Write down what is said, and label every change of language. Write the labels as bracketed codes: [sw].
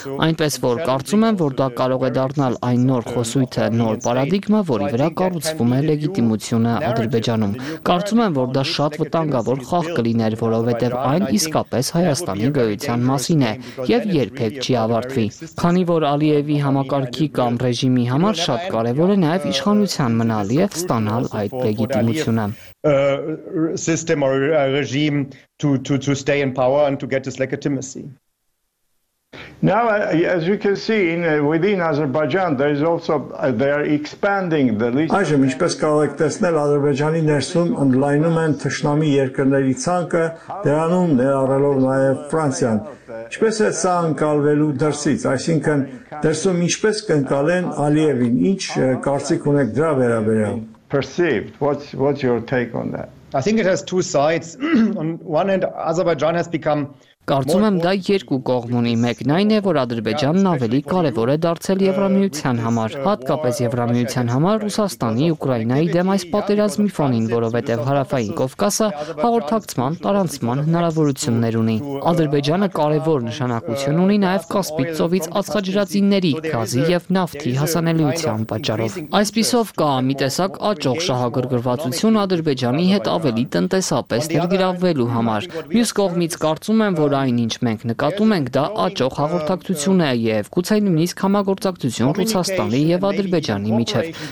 [hy] Այնպես որ կարծում եմ, որ դա կարող է դառնալ այն նոր խոսույթը, նոր պարադիգմը, որի վրա կառուցվում է լեգիտիմությունը Ադրբեջանում։ Կարծում եմ, որ դա շատ վտանգավոր խաղ կլիներ, որովհետև այն իսկապես Հայաստանի գոյության մասին է և երբեք չի ավարտվի։ Քանի որ Ալիևի համակարգի կամ ռեժիմի համար շատ կարևոր է նաև իշխանության մնալ և ստանալ այդ լեգիտիմությունը. [en] System or regime to stay in power and to get this legitimacy. Now, as you can see, within Azerbaijan, there is also they are expanding the list. [hy] Այժմ ինչպես կարող եք տեսնել, Ադրբեջանի ներսում ընդլայնում են թշնամի երկրների ցանկը, դրանում ներառելով նաև Ֆրանսիան։ Ինչպես է սա ընկալվելու դրսից, այսինքն դրսում ինչպես կընկալեն Ալիևին, ինչ կարծիք ունեք դրա վերաբերյալ։ [en] Perceived. What's your take on that? I think it has two sides. On one end, Azerbaijan has become. [hy] Կարծում եմ դա երկու կողմ ունի, մեկն այն է, որ Ադրբեջանն ավելի կարևոր է դարձել Եվրամիության համար, հատկապես Եվրամիության համար Ռուսաստանի Ուկրաինայի դեմ այս պատերազմի ֆոնին, որովհետև Հարավային Կովկասը հաղորդակցման տարածման հնարավորություններ ունի։ Ադրբեջանը կարևոր նշանակություն ունի նաև Կասպից ծովից ածխաջրածինների, գազի և նավթի հասանելիության պատճառով։ Այսպիսով կա մի տեսակ աճող շահագրգռվածություն Ադրբեջանի հետ ավելի տնտեսապես ներգրավվելու համար։ Մյուս կողմից կարծում եմ, որ այն, ինչ մենք նկատում ենք, դա աճող հաղորդակցություն է և գուցե նույնիսկ համագործակցություն Ռուսաստանի և Ադրբեջանի միջև։